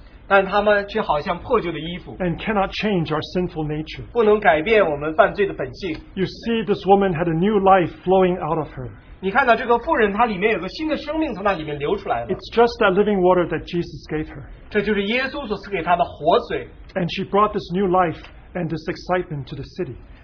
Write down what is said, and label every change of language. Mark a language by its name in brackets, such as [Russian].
[Chinese] 但他们却好像破旧的衣服。 [English] And cannot change our sinful nature. [Chinese] 不能改变我们犯罪的本性。 [English] You see, this woman had a new life flowing out of her. [Chinese] 你看到这个妇人,她里面有个新的生命从那里面流出来了。 [English] It's just that living water that Jesus gave her. [Chinese] 这就是耶稣所赐给她的活水。 [English] And she brought this new life and this excitement to the city.